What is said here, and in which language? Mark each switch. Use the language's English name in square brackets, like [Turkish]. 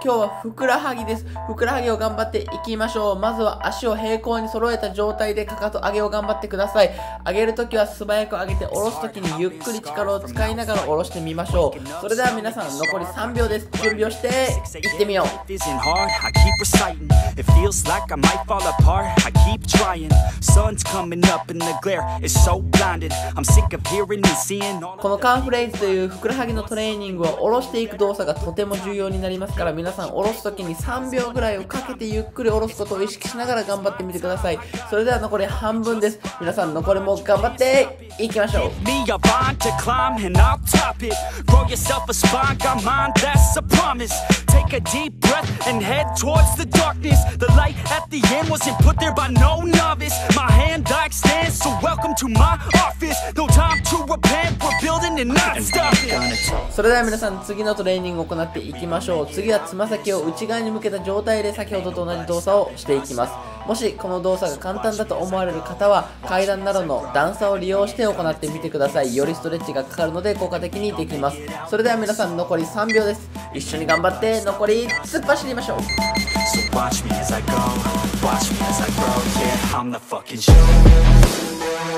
[Japanese] 今日はふくらはぎです。ふくらはぎを頑張っていきましょう。まずは足を平行に揃えた状態でかかと上げを頑張ってください。上げるときは素早く上げて、下ろすときにゆっくり力を使いながら下ろしてみましょう。それでは皆さん、残り3秒です。準備をしていってみよう。 [English] It feels like I might fall apart. I keep trying. Sun's coming up and the glare is so blinded. I'm sick of hearing and seeing all. [Japanese] このカーフレイズというふくらはぎのトレーニングは、下ろしていく動作がとても重要になりますから、皆さん下ろすときに3秒ぐらいをかけてゆっくり下ろすことを意識しながら頑張ってみてください。それでは残り半分です。皆さん残りも頑張っていきましょう。 [English] Me a vine to climb and I'll top it. Grow yourself a spine, got mine, that's a promise. Take a deep breath and head towards the darkness. The light at the end wasn't put there by no novice. My hand I extend, so welcome to my office. No time to repent, we're building and not stopping. [Japanese] それでは皆さん、次のトレーニングを行っていきましょう。次はつま先を内側に向けた状態で先ほどと同じ動作をしていきます。もしこの動作が簡単だと思われる方は、階段などの段差を利用して行ってみてください。よりストレッチがかかるので効果的にできます。それでは皆さん、残り3秒です。一緒に頑張って残り突っ走りましょう。 [English] Watch me as I go, watch me as I grow, yeah, I'm the fucking show.